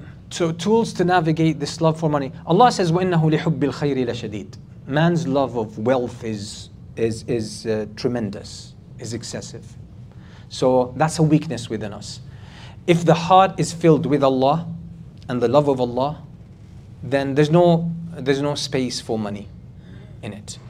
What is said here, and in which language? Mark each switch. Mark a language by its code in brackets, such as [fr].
[en] So tools to navigate this love for money. Allah says, [ar] وَإِنَّهُ لِحُبِّ الْخَيْرِ لَشَدِيدٌ. [en] Man's love of wealth is tremendous, is excessive. So that's a weakness within us. If the heart is filled with Allah and the love of Allah, then there's no space for money in it.